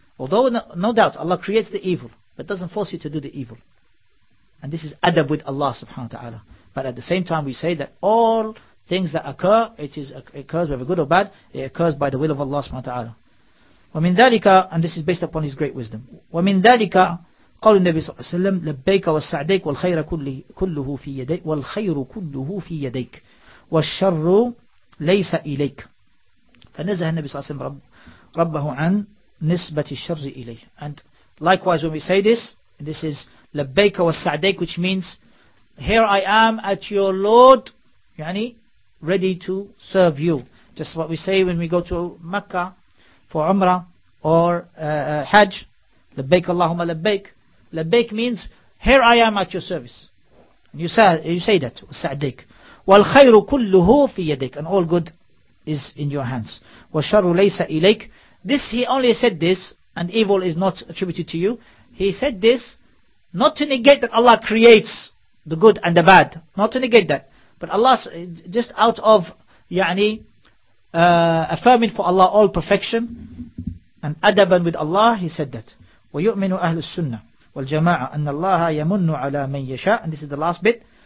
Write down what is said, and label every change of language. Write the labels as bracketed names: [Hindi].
[English] Although no doubt Allah creates the evil, but doesn't force you to do the evil. And this is adab with Allah subhanahu wa ta'ala. But at the same time we say that all things that occur, it occurs whether good or bad, it occurs by the will of Allah subhanahu wa ta'ala. [Arabic] وَمِنْ ذَلِكَ [English] And this is based upon His great wisdom. [Arabic] وَمِنْ ذَلِكَ قَالُ النَّبِي صَلَّى اللَّهُ عَلَيْهِ وَسَلَّمْ لَبَّيْكَ وَالسَّعْدَيْكَ وَالْخَيْرَ كُلُّهُ فِي يَدَيْكَ وَالْخَيْرُ كُلُّهُ فِي يَدَيْكَ وَالشَّرُّ لَيْسَ إِلَيْكَ فَنَزَهَ النَّبِي صَلَّى اللَّهُ عَلَيْهِ وَسَلَّمْ رَبَّهُ عَنْ نِسْبَةِ الشَّرِّ إِلَيْهِ [English] And likewise when we say this is Labbayka wa sa'dayk, which means, here I am at your Lord, yani, ready to serve you. Just what we say when we go to Mecca for Umrah or Hajj, [Arabic] Labbayk Allahumma Labbayk. [English] Labbayk means, here I am at your service. And you say that, wa sa'dayk. [Arabic] Wal khayru kulluhu fi yadayk, [English] and all good is in your hands. [Arabic] Wa sharru laysa ilayk. [English] This, he only said this, and evil is not attributed to you. He said this, not to negate that Allah creates the good and the bad. Not to negate that. But Allah, just out of, affirming for Allah all perfection, and adaban with Allah, he said that. [Arabic] وَيُؤْمِنُ أَهْلُ السُّنَّةِ وَالْجَمَاعَةِ أَنَّ اللَّهَ يَمُنُّ عَلَى مَنْ يَشَاءُ [English] And this is the last bit.